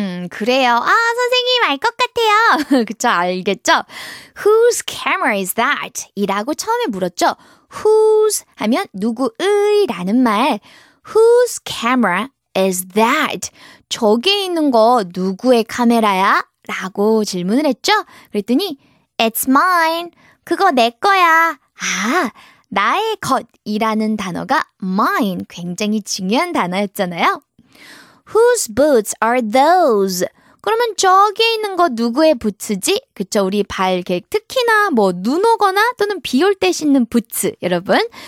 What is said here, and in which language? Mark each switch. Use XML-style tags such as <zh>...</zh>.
<ko>그래요. 아, 선생님 알 것 같아요. 그쵸? 알겠죠?</ko> <en>Whose camera is that?</en> <ko>이라고 처음에 물었죠. Whose 하면 누구의 라는 말.</ko> <en>Whose camera is that?</en> <ko>저기에 있는 거 누구의 카메라야? 라고 질문을 했죠. 그랬더니</ko> <en>It's mine.</en> <ko>그거 내 거야. 아, 나의 것이라는 단어가 mine. 굉장히 중요한 단어였잖아요.</ko> <en>Whose boots are those?</en> <ko>그러면 저기 있는 거 누구의 부츠지? 그쵸, 우리 발, 특히나 뭐 눈 오거나 또는 비 올 때 신는 부츠, 여러분.</ko>